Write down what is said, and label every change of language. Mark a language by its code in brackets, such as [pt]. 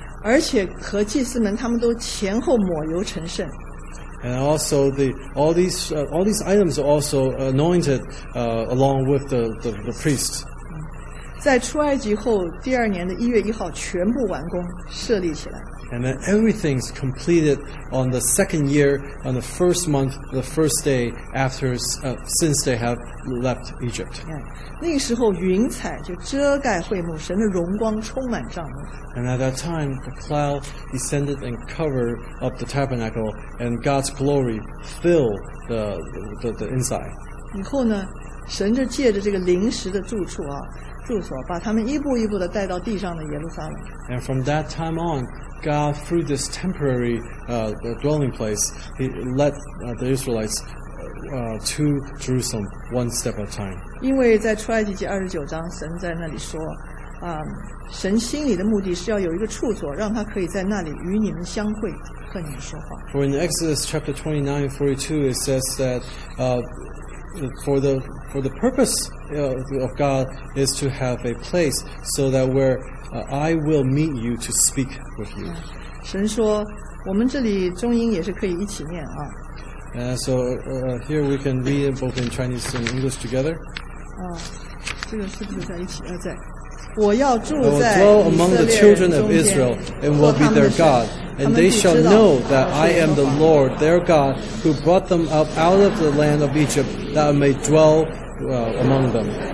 [zh] 而且和祭司们他们都前后抹油成圣。 [en] And also all these items are also anointed along with the priest. [zh] 在出埃及后第二年的一月一号全部完工设立起来。 [en] And then everything's completed on the second year, on the first month, the first day after, since they have left Egypt. Yeah. [zh] 那时候云彩就遮盖会幕，神的荣光充满帐幕。 [en] And at that time, the cloud descended and covered up the tabernacle, and God's glory filled the inside. [zh] 以后呢，神就借着这个临时的住处啊。住所，把他们一步一步的带到地上的耶路撒冷。 [en] And from that time on, God, through this temporary dwelling place, He led the Israelites to Jerusalem one step at a time. [zh] 因为在出埃及记二十九章，神在那里说，啊，神心里的目的是要有一个处所，让他可以在那里与你们相会。 [en] For in Exodus chapter 29:42, it says that for the purpose of God is to have a place so that where I will meet you to speak with you. [zh] 神说，我们这里中英也是可以一起念啊。 [en] So here we can read it both in Chinese and English together. [zh] 啊，这个是不是在一起？在。我要住在以色列中间。 [en] I will dwell among the children of Israel and will be their God. And they shall know that I am the Lord, their God, who brought them up out of the land of Egypt, that I may dwell among them.